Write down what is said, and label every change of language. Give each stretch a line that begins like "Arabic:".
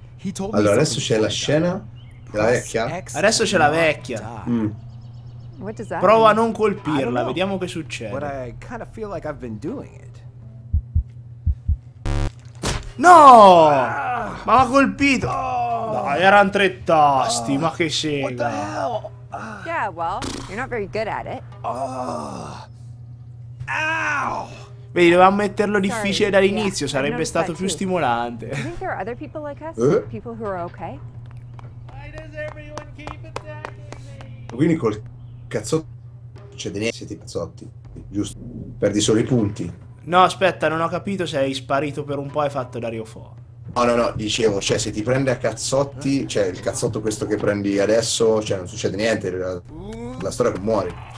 English: He told
Italian: allora, adesso c'è la scena della vecchia. Adesso c'è la vecchia.
English: What does that
Italian: prova
English: mean?
Italian: A non colpirla, vediamo che succede.
English: But I kind of feel like I've been doing it.
Italian: No! Ma ha colpito! Dai, erano tre tasti, ma che scena!
English: Yeah, well, you're not very good at it. Oh. Ow!
Italian: Vedi, dovevamo metterlo difficile dall'inizio, yeah, sarebbe stato più stimolante.
English: Do you think there are other people like us? People who are okay? Why does everyone keep attacking me?
Italian: Quindi col cazzotto c'è di niente, siete cazzotti, giusto? Perdi solo i punti. No, aspetta, non ho capito se hai sparito per un po' e hai fatto Dario Fo. No, dicevo, cioè se ti prende a cazzotti, cioè il cazzotto questo che prendi adesso, cioè non succede niente, la storia che muori.